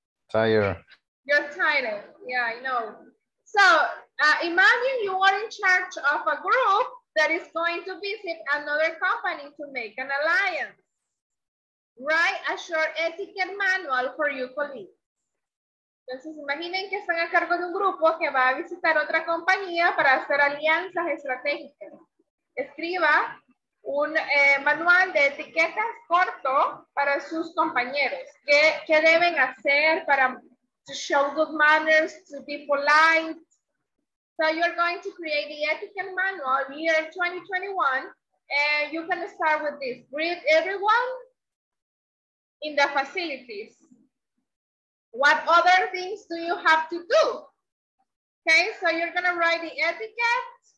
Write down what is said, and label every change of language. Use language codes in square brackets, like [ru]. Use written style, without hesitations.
[en] Tired. You're tired. Yeah, I know. So imagine you are in charge of a group that is going to visit another company to make an alliance. Write a short etiquette manual for your colleagues. [es] Entonces, imaginen que están a cargo de un grupo que va a visitar otra compañía para hacer alianzas estratégicas. Escriba un manual de etiquetas corto para sus compañeros. ¿Qué deben hacer para [en] to show good manners, to be polite? So you're going to create the etiquette manual year 2021, and you can start with this. Greet everyone in the facilities. What other things do you have to do? Okay, so you're gonna write the etiquette.